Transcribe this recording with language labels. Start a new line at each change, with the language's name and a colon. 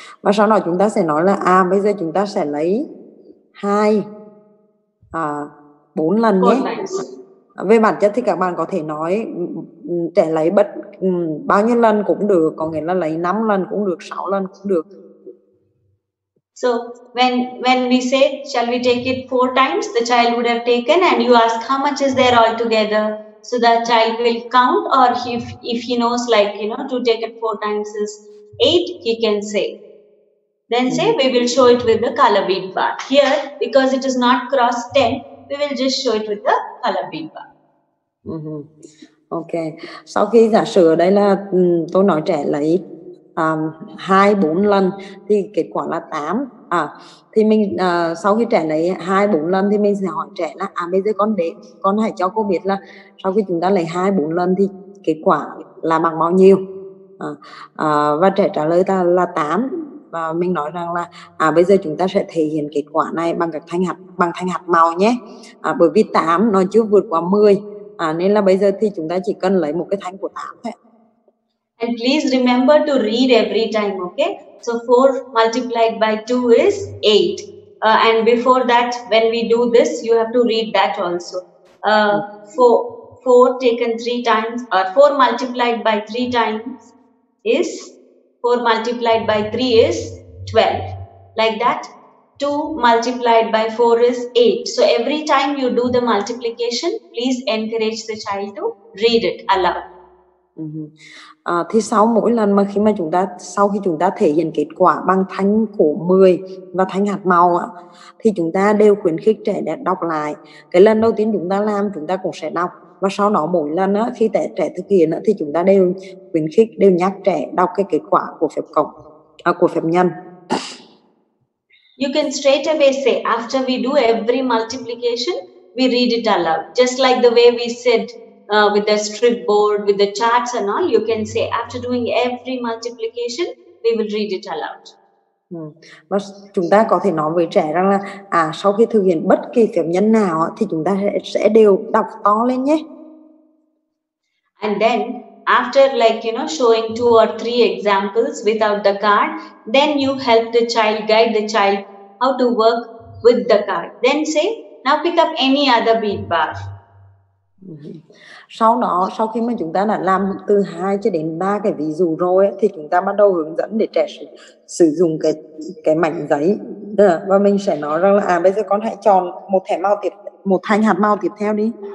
Vietnamese: Và sau đó chúng ta sẽ nói là bây giờ chúng ta sẽ lấy 2 4 lần
English: four
Vietnamese: nhé.
English: Times.
Vietnamese: Về bản chất thì các bạn có thể nói trẻ lấy bất bao nhiêu lần cũng được, có nghĩa là lấy 5 lần cũng được, 6 lần cũng được.
English: So when we say shall we take it 4 times, the child would have taken, and you ask how much is there altogether. So the child will count, or if he knows, like, you know, to take it 4 times is 8, he can say. Then say we will show it with the color bead bar. Here, because it is not cross 10, we will just show it with the color bead bar. Okay.
Vietnamese: Sau khi giả sử ở đây là tôi nói trẻ lấy 2-4 lần thì kết quả là 8. Thì mình sau khi trẻ lấy 2-4 lần thì mình sẽ hỏi trẻ là bây giờ con hãy cho cô biết là sau khi chúng ta lấy 2-4 lần thì kết quả là bằng bao nhiêu. Và trẻ trả lời ta là 8. Và mình nói rằng là bây giờ chúng ta sẽ thể hiện kết quả này bằng các thanh hạt, bằng thanh hạt màu nhé. Bởi vì 8 nó chưa vượt qua 10. Nên là bây giờ thì chúng ta chỉ cần lấy một cái thanh của 8 thôi.
English: And please remember to read every time, okay? So 4 multiplied by 2 is 8. And before that, when we do this, you have to read that also. 4 taken 3 times, or 4 multiplied by 3 times is 4 multiplied by 3 is 12. Like that, 2 multiplied by 4 is 8. So every time you do the multiplication, please encourage the child to read it aloud.
Vietnamese: Thì sau mỗi lần mà khi chúng ta thể hiện kết quả bằng thanh của 10 và thanh hạt màu thì chúng ta đều khuyến khích trẻ để đọc lại. Cái lần đầu tiên chúng ta làm chúng ta cũng sẽ đọc, và sau đó mỗi lần khi trẻ thực hiện thì chúng ta đều khuyến khích, đều nhắc trẻ đọc cái kết quả của phép cộng của phép nhân.
English: You can straight away say after we do every multiplication we read it aloud, just like the way we said with the strip board, with the charts and all, you can say after doing every multiplication, we will read it aloud.
Vietnamese: Và chúng ta có thể nói với trẻ rằng là sau khi thực hiện bất kỳ phép nhân nào thì chúng ta sẽ đều đọc to lên nhé.
English: And then after, like, you know, showing 2 or 3 examples without the card, then you help the child, guide the child how to work with the card. Then say, now pick up any other bead bar.
Vietnamese: Sau đó, sau khi mà chúng ta đã làm từ 2 cho đến 3 cái ví dụ rồi thì chúng ta bắt đầu hướng dẫn để trẻ sử dụng cái mảnh giấy. Và mình sẽ nói rằng là bây giờ con hãy chọn một thanh hạt màu tiếp theo đi.